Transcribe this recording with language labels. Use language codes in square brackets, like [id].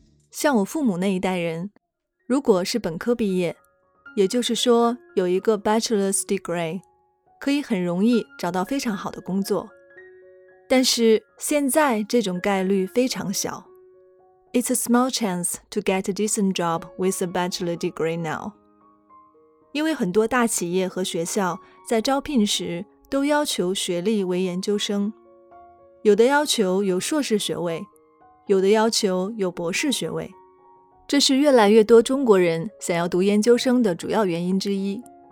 [zh] 像我父母那一代人，如果是本科毕业，也就是说有一个 bachelor's degree， 可以很容易找到非常好的工作。但是现在这种概率非常小。 [en] It's a small chance to get a decent job with a bachelor degree now. [zh] 因为很多大企业和学校在招聘时都要求学历为研究生，有的要求有硕士学位，有的要求有博士学位。这是越来越多中国人想要读研究生的主要原因之一。